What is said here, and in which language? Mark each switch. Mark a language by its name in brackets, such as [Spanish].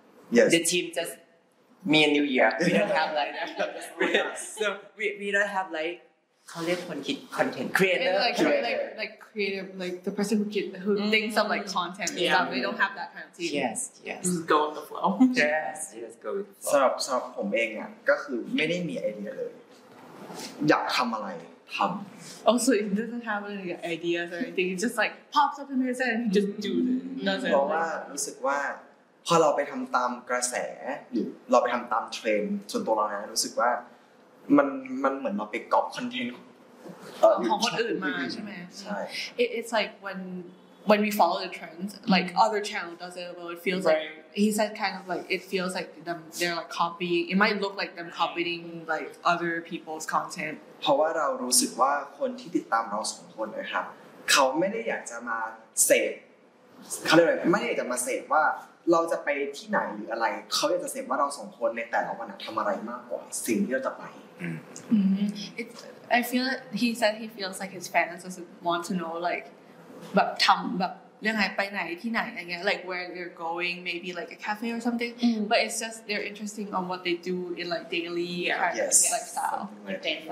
[English] yes. the team just, me and New Year, we don't have like, so we don't have like, content creator, the person who mm-hmm. thinks of like content yeah. and stuff, we don't have that kind of team. Yes, yes. Just go with the flow. Yes, yes, go with the flow. [Thai] สำหรับผมเองอ่ะก็คือไม่ได้มีไอเดียเลยอยากทำอะไรทำ [English] Also, it doesn't have any ideas or anything. It just like pops up in his head and he just do it. [Thai] เพราะว่ารู้สึกว่าพอเราไปทำตามกระแสเราไปทำตามเทรนด์ส่วนตัวเรานะรู้สึกว่ามันเหมือนเราไปก๊อปคอนเทนต์ ของคนอื่นมาใช่ไหม ใช่ [English] It's like when we follow the trends, like other channel does it, well, it feels right. like. He said kind of like it feels like them they're like copying it might look like them copying like other people's content [Thai] เพราะว่าเรารู้สึกว่าคนที่ติดตามเรา2คนนะครับเขาไม่ได้อยากจะมาเสพเขาเรียกอะไรไม่อยากจะมาเสพว่าเราจะไปที่ไหนหรืออะไรเขาอยากจะเสพว่าเรา2คนในแต่ละวันทําอะไรมากกว่าสิ่งที่เราจะไป [English] I feel like he said he feels like his fans just want to know like [Thai] แบบทําแบบเรื่องไปไหนที่ไหนอะไรเงี้ย [English] like where they're going maybe like a cafe or something mm-hmm. but it's just they're interesting on what they do in like daily yeah. kind yes. of lifestyle like daily